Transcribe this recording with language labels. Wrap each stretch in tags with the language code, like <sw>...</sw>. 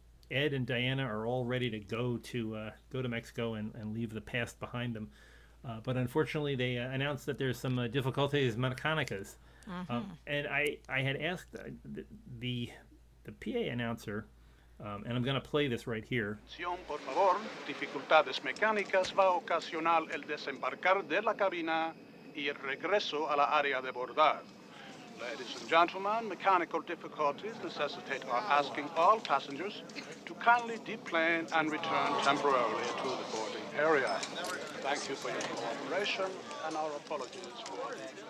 <en>Ed and Diana are all ready to go to Mexico and leave the past behind them, but unfortunately they announced that there's some difficulties, Mecanicas. And I had asked the PA announcer, and I'm going to play this right here.</en> <es>Atención, por favor, dificultades mecánicas va a ocasionar el desembarcar de la cabina y el regreso a la área de bordar.</es> <en>Ladies and gentlemen, mechanical difficulties necessitate our asking all passengers to kindly deplane and return temporarily to the boarding area. Thank you for your cooperation and our apologies for the...</en>